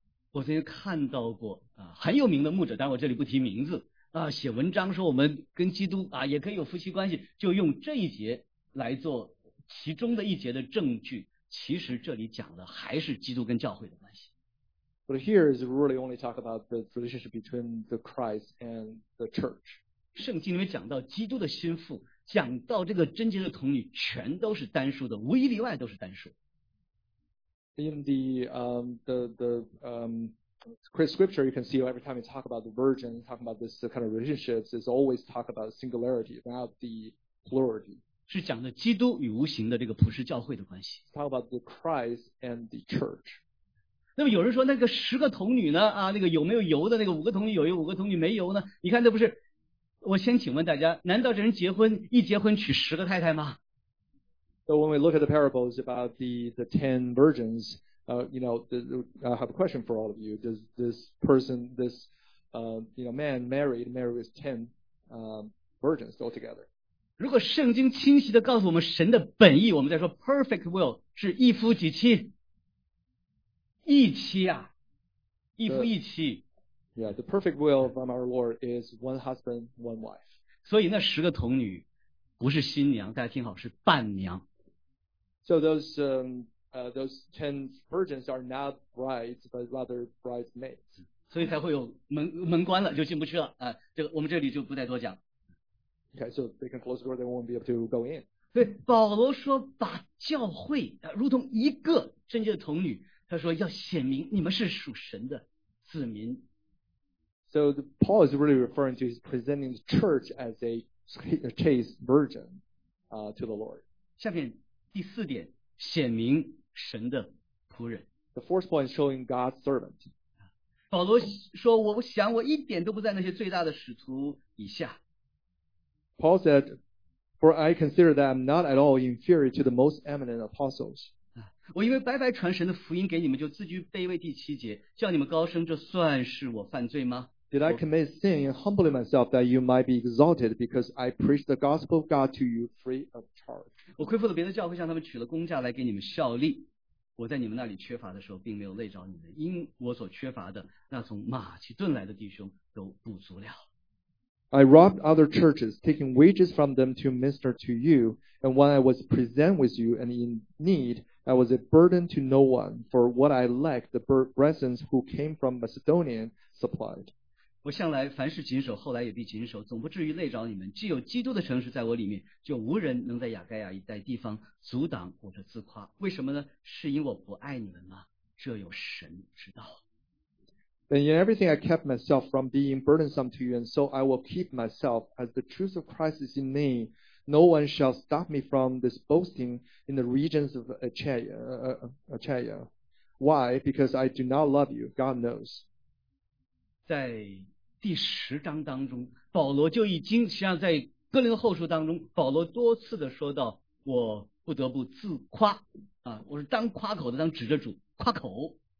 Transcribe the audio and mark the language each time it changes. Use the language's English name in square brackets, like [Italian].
[Chinese] 我曾经看到过很有名的牧者，但我这里不提名字。写文章说我们跟基督也可以有夫妻关系，就用这一节来做其中的一节的证据。其实这里讲的还是基督跟教会的关系。 [English] But here is really only talk about the relationship between the Christ and the church. [Chinese] 圣经里面讲到基督的心腹，讲到这个贞洁的童女，全都是单数的，无一例外都是单数。 [English] In the Scripture, you can see every time you talk about the virgin, talk about this kind of relationships, it's always talk about singularity, not the plurality. [Chinese] 是讲的基督与无形的这个普世教会的关系。 [English] Talk about the Christ and the church. [Chinese] 那么有人说那个十个童女呢？那个有没有油的那个五个童女有油，五个童女没油呢？你看这不是？我先请问大家，难道这人结婚一结婚娶十个太太吗 [English] ？So when we look at the parables about the ten virgins. I have a question for all of you. Does this person, man married with 10 virgins altogether? [Chinese] 如果圣经清晰地告诉我们神的本意，我们再说 perfect will 是一夫几妻，一妻啊，一夫一妻。 [English] Yeah, the perfect will from our Lord is one husband, one wife. [Chinese] 所以那十个童女不是新娘，大家听好，是伴娘。 [English] So those 10 virgins are not brides, but rather bridesmaids. [Chinese] 所以才会有门关了，就进不去了。这个我们这里就不再多讲。 [English] Okay, so they can close the door, they won't be able to go in. [Chinese] 对，保罗说把教会如同一个贞洁的童女，他说要显明你们是属神的子民。 [English] So Paul is really referring to his presenting the church as a chaste virgin, to the Lord. [Chinese] 下面第四点。显明神的仆人。 [English] The fourth point is showing God's servant. [Chinese] 保罗说：“我想我一点都不在那些最大的使徒以下。” [English] Paul said, "For I consider that I'm not at all inferior to the most eminent apostles." [Chinese] 我因为白白传神的福音给你们，就自居卑微。第七节，叫你们高升，这算是我犯罪吗？ [English] Did I commit sin in humbling myself that you might be exalted because I preached the gospel of God to you free of charge? [Chinese] 我恢复了别的教会，向他们取了工价来给你们效力。我在你们那里缺乏的时候，并没有累着你们，因我所缺乏的，那从马其顿来的弟兄都补足了。 [English] I robbed other churches, taking wages from them to minister to you, and when I was present with you and in need, I was a burden to no one, for what I lacked, the brethren who came from Macedonia supplied. [Chinese] 我向来凡事谨守，后来也必谨守，总不至于累着你们。既有基督的诚实在我里面，就无人能在雅盖亚一带地方阻挡我的自夸。为什么呢？是因我不爱你们吗？这有神知道。 [English] And in everything I kept myself from being burdensome to you, and so I will keep myself as the truth of Christ is in me. No one shall stop me from this boasting in the regions of Achaia. Why? Because I do not love you. God knows. [Chinese] 在第十章当中，保罗就已经实际上在哥林多后书当中，保罗多次的说到我不得不自夸啊，我是当夸口的，当指着主夸口。